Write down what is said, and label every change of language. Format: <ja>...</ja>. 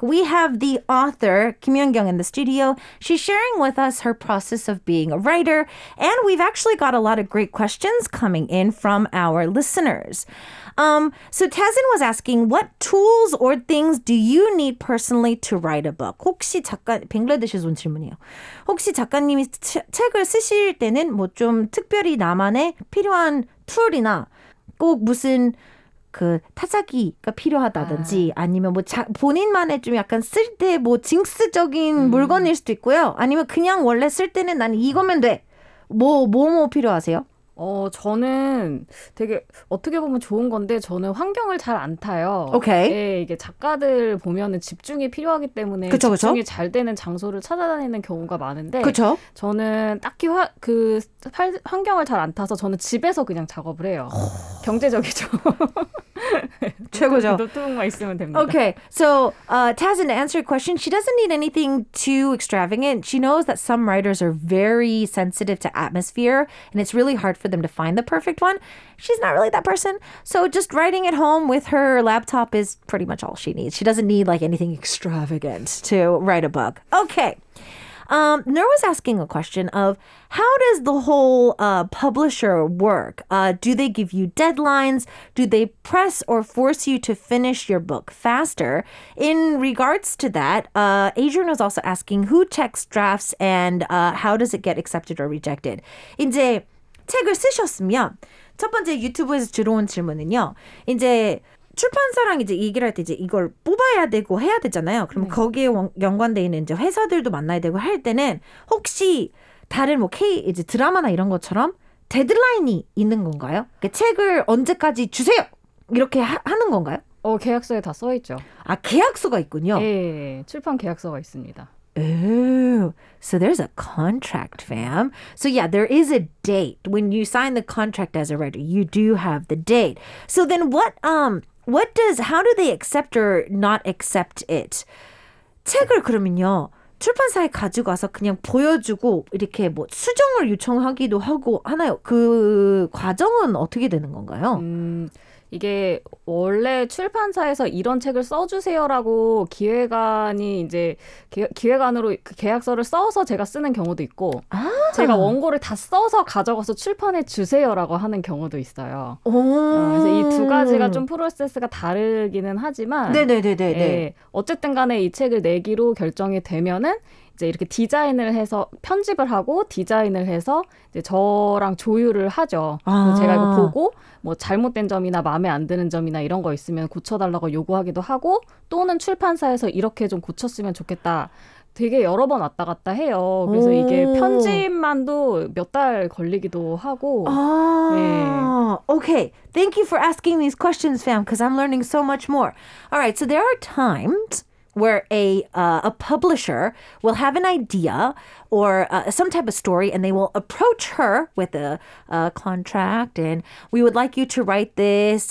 <en>We have the author, Kim Yeon-kyung, in the studio. She's sharing with us her process of being a writer, and we've actually got a lot of great questions coming in from our listeners. So Tazen was asking, what tools or things do you need personally to write a book?</en> <ko>혹시 작가, 빙글라데시에서 온 질문이에요. 혹시 작가님이 책을 쓰실 때는 뭐좀 특별히 나만의 필요한 툴이나 꼭 무슨 그 타자기가 필요하다든지 아니면 뭐 본인만의 좀 약간 쓸때뭐 징스적인 물건일 수도 있고요. 아니면 그냥 원래 쓸 때는 나는 이거면 돼. 뭐 필요하세요? 저는 되게 어떻게 보면 좋은 건데, 저는 환경을 잘안 타요.</ko> <en>오케이.</en> <ko>예, 이게 작가들 보면은 집중이 필요하기 때문에 그쵸, 그쵸? 집중이 잘 되는 장소를 찾아다니는 경우가 많은데, 그쵸? 저는 딱히 환경을 잘안 타서 저는 집에서 그냥 작업을 해요. 경제적이죠. 최고죠. 노트북만 있으면 됩니다.</ko> <en>Okay, so Tazen, to answer your question, she doesn't need anything too extravagant. She knows that some writers are very sensitive to atmosphere, and it's really hard for them to find the perfect one. She's not really that person. So just writing at home with her laptop is pretty much all she needs. She doesn't need like anything extravagant to write a book. Okay. Nur was asking a question of how does the whole publisher work? Do they give you deadlines? Do they press or force you to finish your book faster? In regards to that, Adrian was also asking who checks drafts and how does it get accepted or rejected?</en> <ko>이제 책을 쓰셨으면 첫 번째 유튜브에서 들어온 질문은요. 이제 출판사랑 이제 얘기를 할때 이제 이걸 뽑아야 되고 해야 되잖아요. 그럼 거기에 연관돼 있는 이제 회사들도 만나야 되고 할 때는 혹시 다른 뭐 K 이제 드라마나 이런 것처럼 데드라인이 있는 건가요? 그 책을 언제까지 주세요? 이렇게 하는 건가요? 계약서에 다써 있죠. 아, 계약서가 있군요. 예, 출판 계약서가 있습니다.</ko> <en>Ooh, so there's a contract, fam. So yeah, there is a date. When you sign the contract as a writer, you do have the date. So then what does how do they accept or not accept it?</en> <ko>책을 그러면요, 출판사에 가지고 와서 그냥 보여주고 이렇게 뭐 수정을 요청하기도 하고 하나요? 그 과정은 어떻게 되는 건가요? 이게 원래 출판사에서 이런 책을 써주세요라고 기획안이 이제 기획안으로 그 계약서를 써서 제가 쓰는 경우도 있고 아~ 제가 원고를 다 써서 가져가서 출판해 주세요라고 하는 경우도 있어요. 오~ 그래서 이 두 가지가 좀 프로세스가 다르기는 하지만 네네네네네. 예, 어쨌든 간에 이 책을 내기로 결정이 되면은 이제 이렇게 디자인을 해서 편집을 하고 디자인을 해서 이제 저랑 조율을 하죠. 아~ 제가 이거 보고 뭐 잘못된 점이나 마음에 안 드는 점이나 이런 거 있으면 고쳐달라고 요구하기도 하고 또는 출판사에서 이렇게 좀 고쳤으면 좋겠다. 되게 여러 번 왔다 갔다 해요. 그래서 이게 편집만도 몇 달 걸리기도 하고. 아~ 네.</ko> <en>Okay, thank you for asking these questions, fam, because I'm learning so much more. All right, so there are times where a publisher will have an idea or some type of story, and they will approach her with a contract, and we would like you to write this.</en>